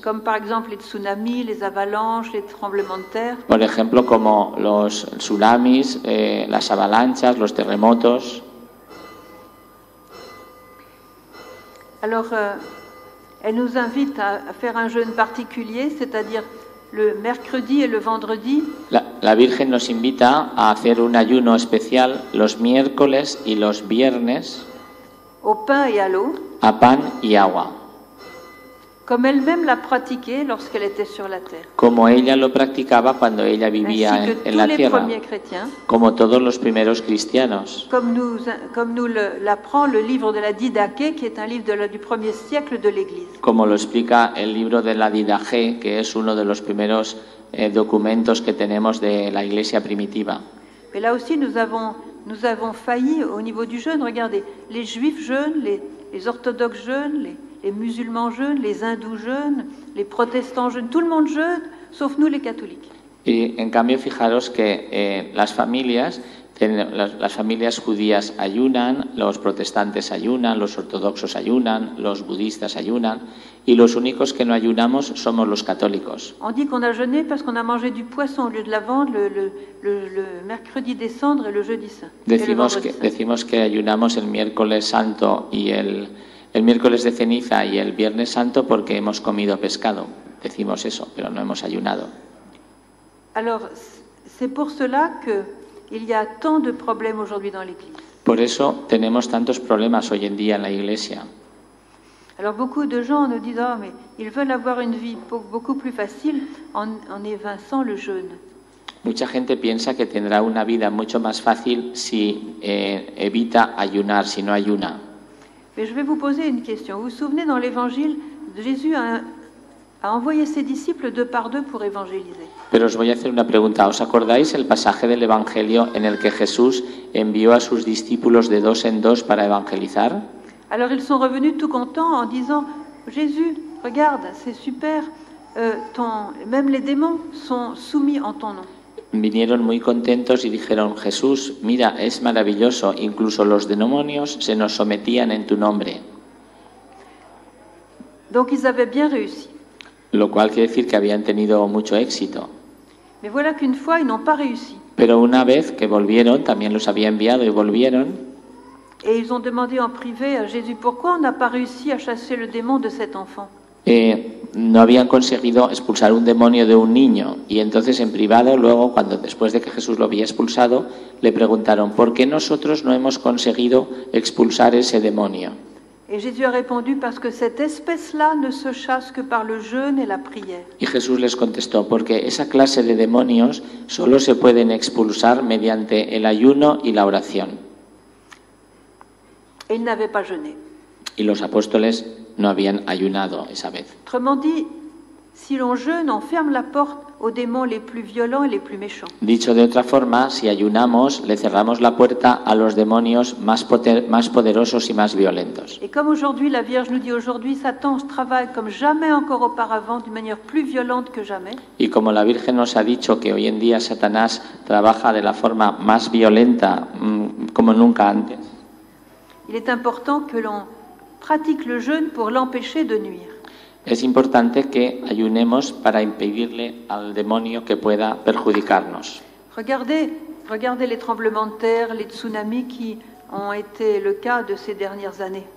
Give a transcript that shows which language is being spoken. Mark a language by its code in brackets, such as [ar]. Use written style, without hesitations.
[fr] Comme par exemple les tsunamis, les avalanches, les tremblements de terre. [es] Por ejemplo, como los tsunamis, las avalanchas, los terremotos. [fr] Alors, elle nous invite à faire un jeûne particulier, c'est-à-dire le mercredi et le vendredi. [es] La Virgen nos invita a hacer un ayuno especial los miércoles y los viernes. [fr] Au pain et à l'eau. [es] A pan y agua. [fr] Comme elle-même l'a pratiqué lorsqu'elle était sur la terre. [es] Como ella lo practicaba cuando ella vivía en la tierra. [fr] Ainsi que tous les premiers chrétiens. [es] Como todos los primeros cristianos. [fr] Comme nous l'apprend le livre de la Didache, qui est un livre du premier siècle de l'Église. [es] Como lo explica el libro de la Didache, que es uno de los primeros documentos que tenemos de la Iglesia primitiva. [fr] Mais là aussi nous avons failli au niveau du jeûne. Regardez, les Juifs jeûnent, les orthodoxes jeûnent, les musulmans jeûnent, les hindous jeûnent, les protestants jeûnent, tout le monde jeûne, sauf nous les catholiques. [es] Y en cambio, fijaros que las familias judías ayunan, los protestantes ayunan, los ortodoxos ayunan, los budistas ayunan, y los únicos que no ayunamos somos los católicos. [fr] On dit qu'on a jeûné parce qu'on a mangé du poisson au lieu de la viande le mercredi des cendres et le jeudi saint. [es] Decimos que ayunamos el miércoles santo y el miércoles de ceniza y el viernes santo porque hemos comido pescado. Decimos eso, pero no hemos ayunado. [fr] Alors, c'est pour cela que il y a tant de problèmes aujourd'hui dans l'église. [es] Por eso tenemos tantos problemas hoy en día en la iglesia. [fr] Alors beaucoup de gens nous disent, oh, mais ils veulent avoir une vie beaucoup plus facile en évinçant le jeûne. [es] Mucha gente piensa que tendrá una vida mucho más fácil si evita ayunar, si no ayuna. [fr] Mais je vais vous poser une question. Vous vous souvenez dans l'évangile, Jésus a envoyé ses disciples deux par deux pour évangéliser. [es] Pero os voy a hacer una pregunta. ¿Os acordáis el pasaje del Evangelio en el que Jesús envió a sus discípulos de dos en dos para evangelizar? [fr] Alors ils sont revenus tout contents en disant, Jésus, regarde, c'est super, même les démons sont soumis en ton nom. [es] Vinieron muy contentos y dijeron, Jesús, mira, es maravilloso, incluso los demonios se nos sometían en tu nombre. [fr] Donc ils avaient bien réussi. [es] Lo cual quiere decir que habían tenido mucho éxito. [fr] Mais voilà qu'une fois, ils n'ont pas réussi. [es] Pero una vez que volvieron, también los había enviado y volvieron. [fr] Et ils ont demandé en privé à Jésus, pourquoi on n'a pas réussi à chasser le démon de cet enfant? [es] Et no habían conseguido expulsar un demonio de un niño. Y entonces en privado, luego, cuando después de que Jesús lo había expulsado, le preguntaron, ¿por qué nosotros no hemos conseguido expulsar ese demonio? [fr] Et Jésus a répondu, parce que cette espèce-là ne se chasse que par le jeûne et la prière. [es] Y Jesús les contestó, porque esa clase de demonios solo se pueden expulsar mediante el ayuno y la oración. [fr] Et ils n'avaient pas jeûné. [es] Y los apóstoles no habían ayunado esa vez. [fr] Autrement dit, si l'on jeûne, on ferme la porte aux démons les plus violents et les plus méchants. [es] Dicho de otra forma, si ayunamos, le cerramos la puerta a los demonios más poderosos y más violentos. [fr] Et comme aujourd'hui, la Vierge nous dit aujourd'hui, Satan travaille comme jamais encore auparavant, d'une manière plus violente que jamais. [es] Y como la Virgen nos ha dicho que hoy en día Satanás trabaja de la forma más violenta como nunca antes. [fr] Il est important que l'on pratique le jeûne pour l'empêcher de nuire. [es] Es importante que ayunemos para impedirle al demonio que pueda perjudicarnos. [fr] Regardez les tremblements de terre, les tsunamis qui ont été le cas de ces dernières années.